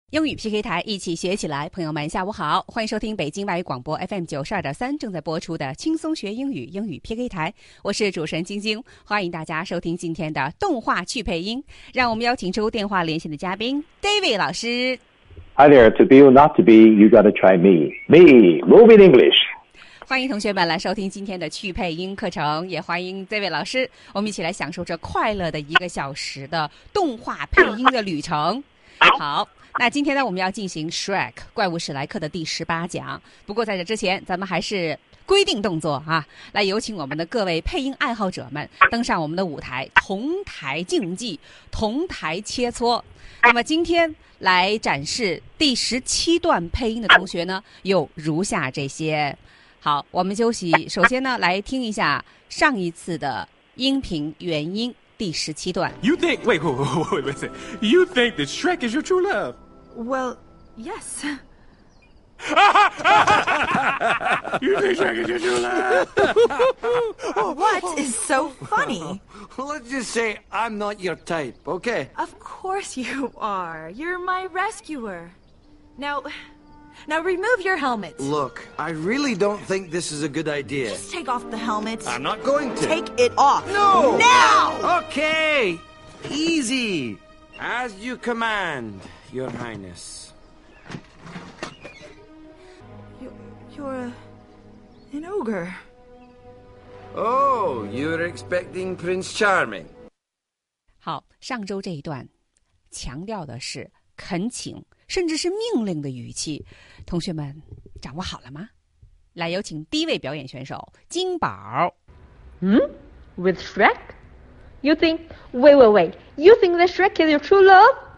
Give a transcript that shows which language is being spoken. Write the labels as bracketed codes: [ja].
[zh] 英语 PK 台，一起学起来。朋友们下午好，欢迎收听北京外语广播 FM92.3 正在播出的轻松学英语英语 PK 台，我是主持人晶晶，欢迎大家收听今天的动画去配音。让我们邀请出电话连线的嘉宾 David 老师。 [en] Hi there, to be or not to be, you gotta try me. Me, moving English. [zh] 欢迎同学们来收听今天的去配音课程，也欢迎 David 老师，我们一起来享受这快乐的一个小时的动画配音的旅程。好，那今天呢，我们要进行 Shrek 怪物史莱克的第十八讲。不过在这之前，咱们还是规定动作啊，来有请我们的各位配音爱好者们登上我们的舞台，同台竞技，同台切磋。那么今天来展示第十七段配音的同学呢，有如下这些。好，我们休息。首先呢，来听一下上一次的音频原音。第十七段 [en] You think, wait, you think that Shrek is your true love? Well, yes. You think Shrek is your true love? What is so funny? Let's just say I'm not your type, okay? Of course you are. You're my rescuer. Now remove your helmet. Look, I really don't think this is a good idea. Just take off the helmet. I'm not going to. Take it off. No! Now! Okay, easy. As you command, Your Highness. You're an ogre. Oh, you're expecting Prince Charming. [zh] 好，上周这一段强调的是恳请甚至是命令的语气，同学们掌握好了吗？来，有请第一位表演选手金宝。 [en] With Shrek? You think? Wait. You think that Shrek is your true love?